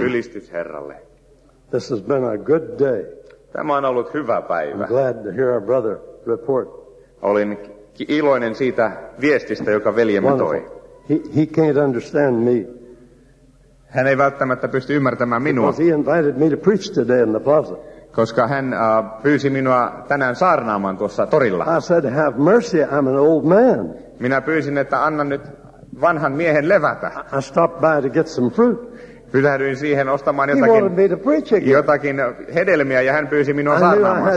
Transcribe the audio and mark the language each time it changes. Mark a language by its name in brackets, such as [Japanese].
[Finnish] Ylistys Herralle. [English] This has been a good day. [Finnish] Tämä on ollut hyvä päivä. [English] I'm glad to hear our brother report. [Finnish] Olin iloinen siitä viestistä, joka veljemme toi. [English] He can't understand me. [Finnish] Hän ei välttämättä pysty ymmärtämään minua. [English] Because he invited me to preach today in the plaza. [Finnish] Koska hän pyysi minua tänään saarnaamaan tuossa torilla. [English] I said, have mercy, I'm an old man. [Finnish] Minä pyysin, että anna nyt vanhan miehen levätä. [English] I stopped by to get some fruit. [Finnish] Pylähdyin siihen ostamaan jotakin hedelmiä, ja hän pyysi minua saarnaamaan